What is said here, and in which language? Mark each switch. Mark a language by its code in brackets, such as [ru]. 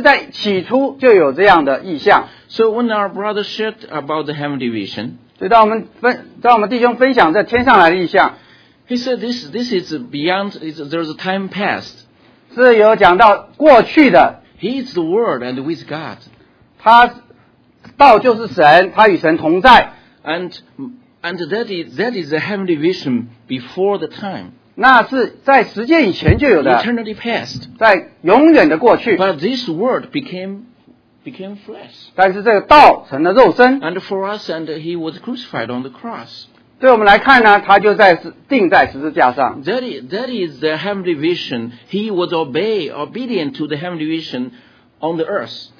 [zh] 基督与教会并不是在后来才有这样的想法的，其实在起初就有这样的意向。 [en] So when our brother shared about the heavenly vision, [zh] 所以当我们弟兄分享这天上来的意向。 [en] He said this is beyond, there's a time past. [zh] 是有讲到过去的。 [en] He is the Word and with God. [zh] 他道就是神, 他与神同在。 [en] And that is the heavenly vision before the time. [zh] 那是在时间以前就有的。 [en] Eternity past. [zh] 在永远的过去。 [en] But this Word became flesh. [zh] 但是这个道成了肉身。 [en] And for us, and he was crucified on the cross. [zh] 对我们来看呢，他就在钉在十字架上。 [en] That is the heavenly vision. He was obedient to the heavenly vision on the earth.